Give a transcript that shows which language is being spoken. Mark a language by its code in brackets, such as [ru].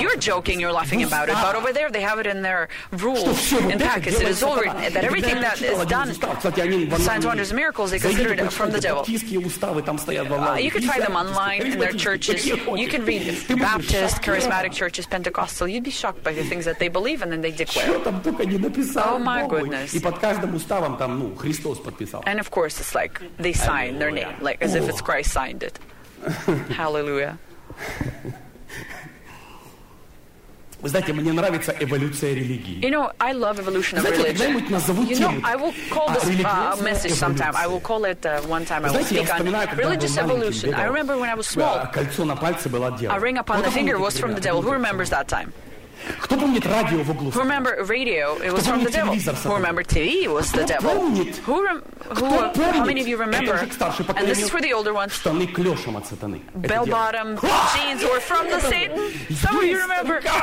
[en] You're joking, you're laughing about it, but over there they have it in their rules and packets. It is all written that everything that is done, signs, wonders, and miracles, they consider it from the devil. You can find them online in their churches. You can read Baptist, charismatic churches, Pentecostal. You'd be shocked by the things that they believe and then they declare. Oh my goodness. [ru] И под каждым уставом там, ну, Христос подписал. [en] And of course, it's like they sign their name, like as if it's Christ signed it. Hallelujah. [ru] Вы знаете, мне нравится эволюция религии. [en] You know, I love evolution of [ru] Знаете, когда-нибудь назову тему. [en] You know, I will call this message sometime. I will call it one time. [ru] Знаете, [en] I will speak on religious evolution. I remember when I was small. [ru] Кольцо на пальце было от дьявола. [en] A ring upon the finger was from the devil. Who remembers that time? [ru] Кто помнит радио в углу? [en] Who remember radio? It was from the devil. Who remember TV? It was the devil. How many of you remember? And this is for the older ones. [ru] Штаны клёшем от сатаны. [en] Bell-bottom jeans were from the Satan. Some of you remember.